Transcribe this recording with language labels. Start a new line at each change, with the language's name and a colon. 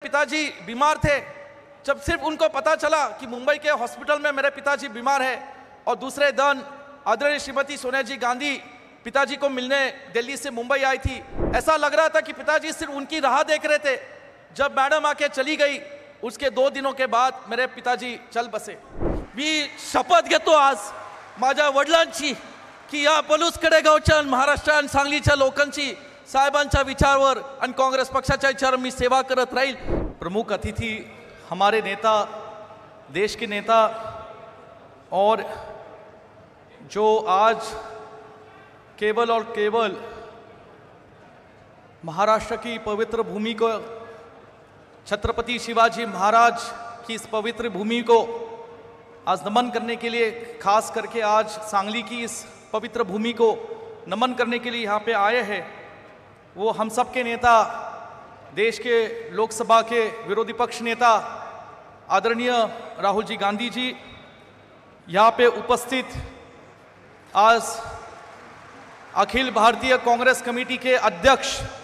Hindi: पिताजी बीमार थे, जब सिर्फ उनको पता चला कि मुंबई के हॉस्पिटल में मेरे पिताजी बीमार है, और दूसरे दिन आदरणीय श्रीमती सोनिया जी गांधी पिताजी को मिलने दिल्ली से मुंबई आई थी, ऐसा लग रहा था कि पिताजी सिर्फ उनकी राह देख रहे थे। जब मैडम आके चली गई, उसके दो दिनों के बाद मेरे पिताजी चल बसे।
Marathi: मी शपथ घेतो आज माझ्या वडिलांची की या पलूसकडे गावच्या महाराष्ट्र आणि सांगलीच्या लोकांची साहेबांच्या विचारवर आणि काँग्रेस पक्षाच्या विचार मी सेवा करत राहील।
Hindi: प्रमुख अतिथी हमारे नेता, देश के नेता, और जो आज केवल और केवल महाराष्ट्र की पवित्र भूमि को, छत्रपति शिवाजी महाराज की इस पवित्र भूमि को आज नमन करने के लिए, खास करके आज सांगली की इस पवित्र भूमि को नमन करने के लिए यहाँ पे आए हैं, वो हम सब के नेता, देश के लोकसभा के विरोधी पक्ष नेता आदरणीय राहुल जी गांधी जी यहाँ पे उपस्थित आज अखिल भारतीय कांग्रेस कमेटी के अध्यक्ष,